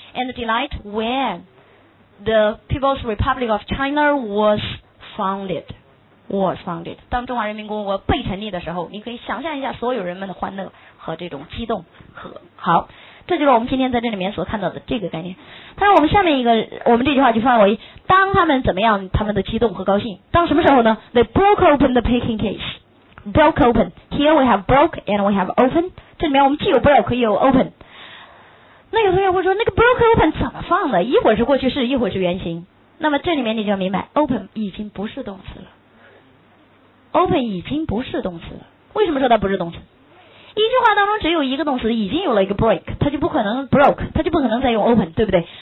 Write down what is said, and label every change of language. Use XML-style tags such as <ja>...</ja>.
<en>And delight when the People's Republic of China was founded，</en> <zh>当中华人民共和国被成立的时候，你可以想象一下所有人们的欢乐和这种激动。和好，这就是我们今天在这里面所看到的这个概念。但是我们下面一个，我们这句话就范围当他们怎么样，他们的激动和高兴，当什么时候呢？</zh> <en>They broke open the packing case， broke open， here we have broke and we have open，</en> <zh>这里面我们既有</zh> <en>broke 也有 open。</en> <zh>那有同学会说那个 broke open 怎么放的？一会儿是过去式，一会儿是原形。那么这里面你就要明白 open 已经不是动词了，open 已经不是动词了。为什么说它不是动词？一句话当中只有一个动词，已经有了一个 break， 它就不可能 broke， 它就不可能再用 open， 对不对？</zh>